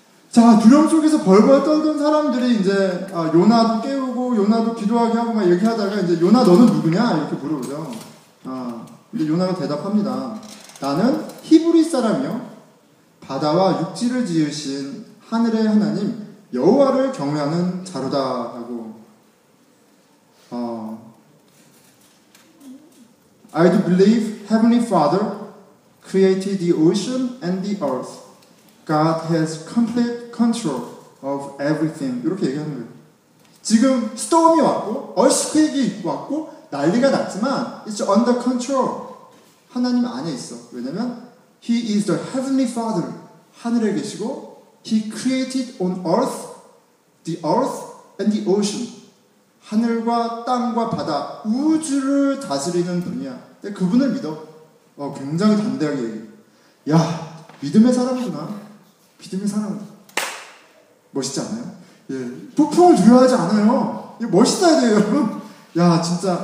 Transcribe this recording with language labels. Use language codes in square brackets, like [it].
[ko] 자, 두려움 속에서 벌벌 떨던 사람들이 이제 요나도 깨우고 요나도 기도하게 하고 막 얘기하다가 이제 요나 너는 누구냐 이렇게 물어보죠. 근데 요나가 대답합니다. 나는 히브리 사람이요, 바다와 육지를 지으신 하늘의 하나님 여호와를 경외하는 자로다 하고. [en] 어, I do believe Heavenly Father created the ocean and the earth. God has complete control of everything. [ko] 이렇게 얘기하는 거예요. 지금 스톰이 왔고 얼스퀘이크가 왔고 난리가 났지만 [en] it's under control. [ko] 하나님 안에 있어. 왜냐면 [en] He is the Heavenly Father. [ko] 하늘에 계시고 [en] He created on earth the earth and the ocean. [ko] 하늘과 땅과 바다, 우주를 다스리는 분이야. 근데 그분을 믿어. 굉장히 담대하게 얘기해. 야, 믿음의 사람이구나. 믿음의 사람. 멋있지 않아요? 예. 폭풍을 두려워하지 않아요. 예, 멋있어야 돼요, 여러분. 야, 진짜.